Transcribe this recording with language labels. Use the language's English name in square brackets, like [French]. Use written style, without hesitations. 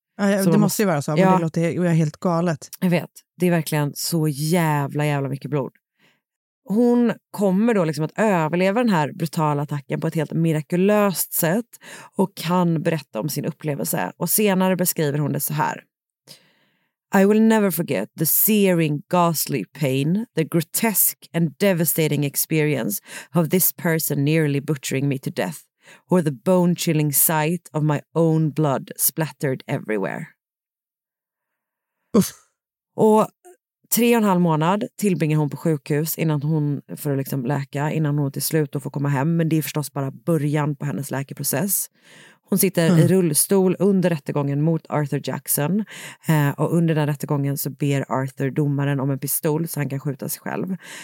[Swedish] Ja, det måste ju vara så, men det låter helt galet. Jag vet. Det är verkligen så jävla mycket blod. Hon kommer då liksom att överleva den här brutala attacken på ett helt mirakulöst sätt och kan berätta om sin upplevelse och senare beskriver hon det så här. [English] I will never forget the searing, ghastly pain, the grotesque and devastating experience of this person nearly butchering me to death, or the bone-chilling sight of my own blood splattered everywhere. Uff. [Swedish] Och 3,5 månader tillbringar hon på sjukhus innan hon får liksom läka, innan hon till slut får komma hem. Men det är förstås bara början på hennes läkeprocess. Hon sitter i rullstol under rättegången mot Arthur Jackson. Och under den rättegången så ber Arthur domaren om en pistol så han kan skjuta sig själv.